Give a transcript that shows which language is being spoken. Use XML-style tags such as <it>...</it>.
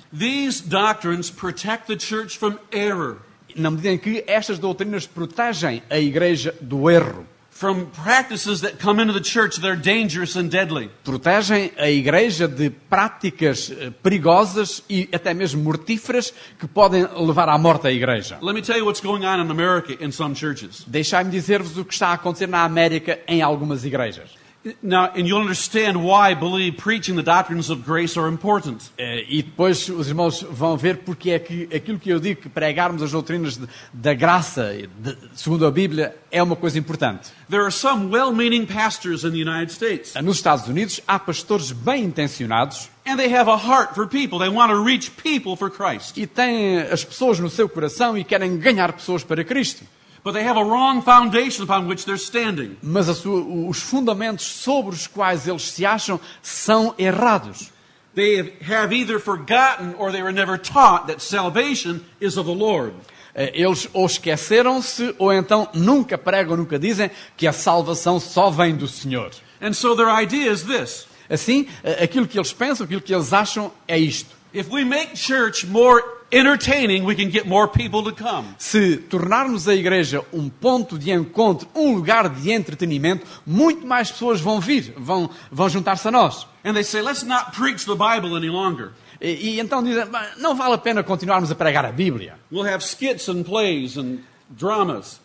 <en>These doctrines protect the church from error.</en> <pt>Na medida em que estas doutrinas protegem a Igreja do erro.</pt> <en>From practices that come into the church that are dangerous and deadly.</en> <pt>Protegem a Igreja de práticas perigosas e até mesmo mortíferas que podem levar à morte a Igreja.</pt> <en>Let me tell you what's going on in America in some churches.</en> <pt>Deixai-me dizer-vos o que está a acontecer na América em algumas igrejas.</pt> <en>Now, and you'll understand why I believe preaching the doctrines of grace are important.</en> <pt>E depois os irmãos vão ver porque é que aquilo que eu digo, que pregarmos as doutrinas da graça, segundo a Bíblia, é uma coisa importante.</pt> <en>There are some well-meaning pastors in the United States.</en> <pt>Nos Estados Unidos há pastores bem intencionados.</pt> <en>And they have a heart for people. They want to reach people for Christ.</en> <pt>E têm as pessoas no seu coração e querem ganhar pessoas para Cristo.</pt> <en>But they have a wrong foundation upon which they're standing.</en> <pt>Mas os fundamentos sobre os quais eles se acham são errados.</pt> <en>They have either forgotten or they were never taught that salvation is of the Lord.</en> <pt>Eles ou esqueceram-se ou então nunca pregam, nunca dizem que a salvação só vem do Senhor.</pt> <en>And so their idea is this.</en> <pt>Assim, aquilo que eles pensam, aquilo que eles acham é isto.</pt> <en>If we make church more entertaining, we can get more people to come.</en> <pt>Se tornarmos a igreja um ponto de encontro, um lugar de entretenimento, muito mais pessoas vão vir, vão juntar-se a nós.</pt> <en>And they say, let's not preach the Bible any longer.</en> <pt>E então dizem, não vale a pena continuarmos a pregar a Bíblia.</pt> <en>We'll have skits and plays and dramas.</en>